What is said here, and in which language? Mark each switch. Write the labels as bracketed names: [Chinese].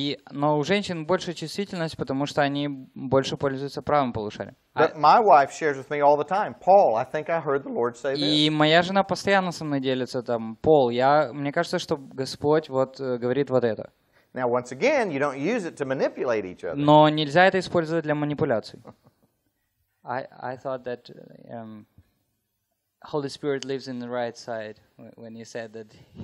[Russian] Но у женщин больше чувствительность, потому что они больше пользуются правым полушарием. [English] But my wife shares with me all the time, Paul, I think I heard the Lord say this. [Russian] И моя жена постоянно со мной делится там, Пол, мне кажется, что Господь вот говорит вот это. [English] Now once again, you don't use it to manipulate each other. [Russian] Но нельзя это использовать для манипуляций. [English] I thought that Holy Spirit lives in the right side when you said that.